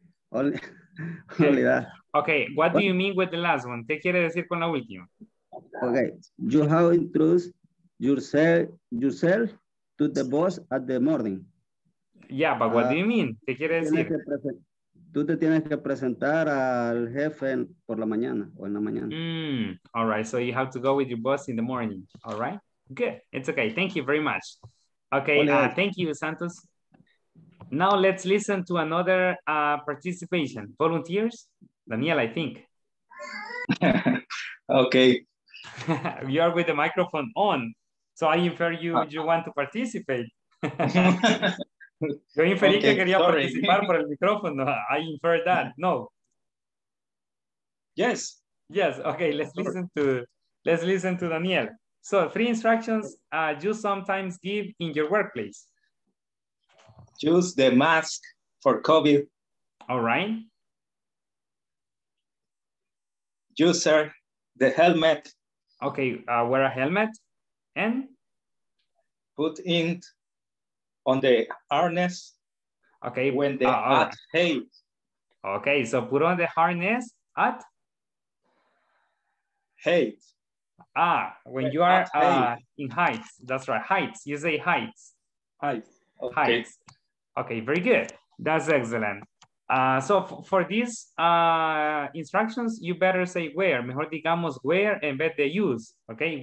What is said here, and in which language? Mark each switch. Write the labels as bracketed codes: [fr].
[en] Only that. Okay, what do you mean with the last one? [es] ¿Qué quiere decir con la última? [en] Okay, you have introduced yourself to the boss at the morning. Yeah, but what do you mean? [es] ¿Qué quiere decir? Tú te tienes que presentar al jefe por la mañana o en la mañana. [en] Mm, all right, so you have to go with your boss in the morning. All right, good. It's okay. Thank you very much. Okay, thank you, Santos. Now let's listen to another participation. Volunteers? Daniel, I think. Okay. You are with the microphone on, so I infer you want to participate. [es] Yo inferí que quería participar por el micrófono. [en] I infer that. No. Yes. Yes, okay, let's listen to Daniel. So, three instructions you sometimes give in your workplace. Use the mask for COVID. All right. Use the helmet. Okay, wear a helmet. And? Put in on the harness. Okay. When they add hay. Okay, so put on the harness at? Hay. Ah, when you are in heights, that's right, heights, you say heights. Heights. Okay. Heights. Okay, very good. That's excellent. So for these instructions, you better say wear. [es] Mejor digamos wear en vez de use, okay?